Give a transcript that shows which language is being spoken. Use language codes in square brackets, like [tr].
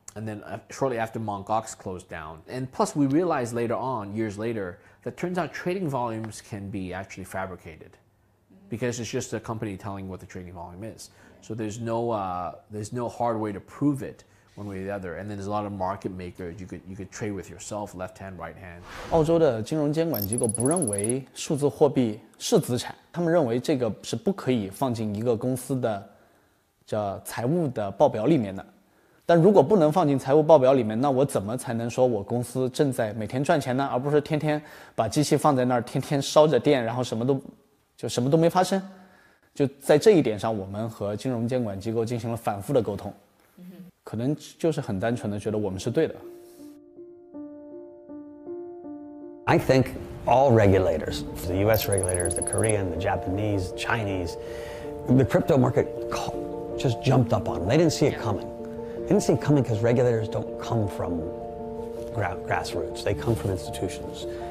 [en] and then shortly after Mt. Gox closed down. And plus, we realized later on, years later, that turns out trading volumes can be actually fabricated, because it's just a company telling what the trading volume is. So there's no hard way to prove it one way or the other. And then there's a lot of market makers. You could trade with yourself, left hand, right hand. [zh] 澳洲的金融监管机构不认为数字货币是资产，他们认为这个是不可以放进一个公司的叫财务的报表里面的。但如果不能放进财务报表里面，那我怎么才能说我公司正在每天赚钱呢？而不是天天把机器放在那儿，天天烧着电，然后什么都没发生。就在这一点上，我们和金融监管机构进行了反复的沟通，可能就是很单纯的觉得我们是对的。 [en] I think all regulators, the US regulators, the Korean, the Japanese, Chinese, the crypto market just jumped up on them. They didn't see it coming. They didn't see it coming because regulators don't come from grassroots, they come from institutions.